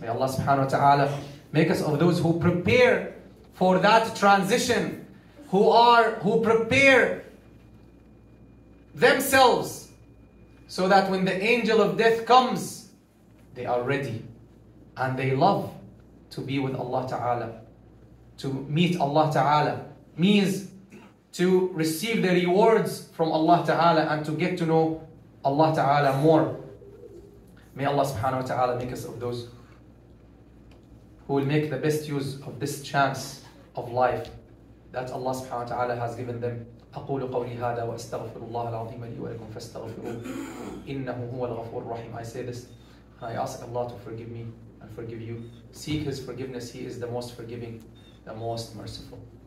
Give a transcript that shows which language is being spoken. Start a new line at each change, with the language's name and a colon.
English: May Allah subhanahu wa ta'ala make us of those who prepare for that transition, who prepare themselves so that when the angel of death comes, they are ready and they love to be with Allah ta'ala, to meet Allah ta'ala, means to receive the rewards from Allah ta'ala and to get to know Allah ta'ala more. May Allah subhanahu wa ta'ala make us of those who will make the best use of this chance of life that Allah subhanahu wa ta'ala has given them.
Arabic: أقول قولي هذا وأستغفر الله العظيم لي ولكم فاستغفروه إنه هو الغفور الرحيم.
English: I say this and I ask Allah to forgive me and forgive you. Seek His forgiveness. He is the most forgiving, the most merciful.